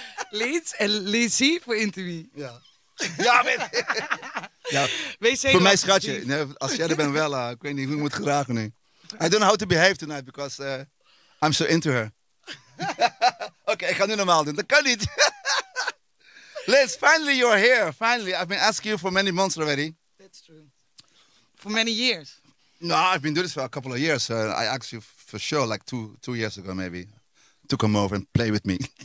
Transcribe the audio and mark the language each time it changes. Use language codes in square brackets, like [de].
[nl] Leeds en Lizzy voor Intimi. Ja. Ja, weet ja. WC voor mijn schatje. Nee, als jij er bent wel, ik weet niet hoe ik moet gedragen nu. [en] I don't know how to behave tonight because I'm so into her. [nl] Oké, okay, ik ga nu normaal doen. Dat kan niet. [en] Liz, finally you're here. Finally, I've been asking you for many months already. That's true. For many years. No, I've been doing this for a couple of years. I asked you for sure, like two years ago maybe, to come over and play with me.